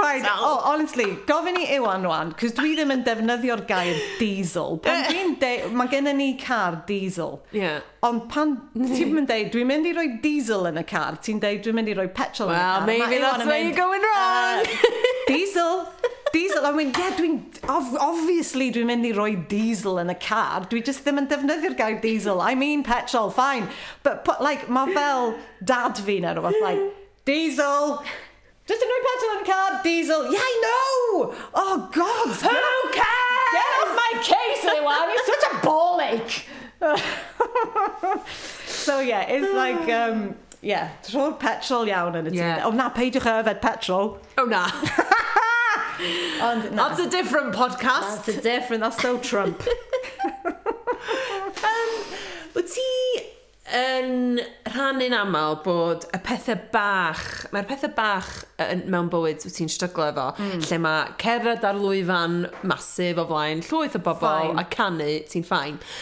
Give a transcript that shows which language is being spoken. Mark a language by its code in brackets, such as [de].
[en] Right, oh, honestly, [cy] gofyn i Iwan rwan, cos dwi ddim yn defnyddio'r gair diesel. Mae gen i ni car diesel. Ond pan ti'n mynd deud, dwi'n mynd i roi diesel yn y car, ti'n deud, dwi'n mynd i roi petrol yn y car. [en] Well, maybe that's where you're going wrong. [cy] Diesel. Diesel, I mean, yeah, dwi'n, obviously dwi'n mynd i roi diesel yn y car, dwi just ddim yn defnyddio'r gair diesel, [en] I mean petrol, fine, but like, [cy] mae fel dad fi na rhywbeth, like, diesel, just yn roi petrol yn y car, diesel, [en] yeah, I know, oh god, who cares, get off my case, Iwan, you're such a ball ache. So yeah, it's like, yeah, throw [cy] petrol iawn yn y tîm, oh na, peidiwch a yfed petrol, oh na. [en] And, no. That's a different podcast. That's a different, that's so Trump. [cy] Wyt ti yn rhan un aml bod y pethau bach, mae'r pethau bach mewn bywyd wyt ti'n stryglo efo, lle mae cerdd ar lwyfan masif o flaen, llwyth o bobl a canu, ti'n ffain.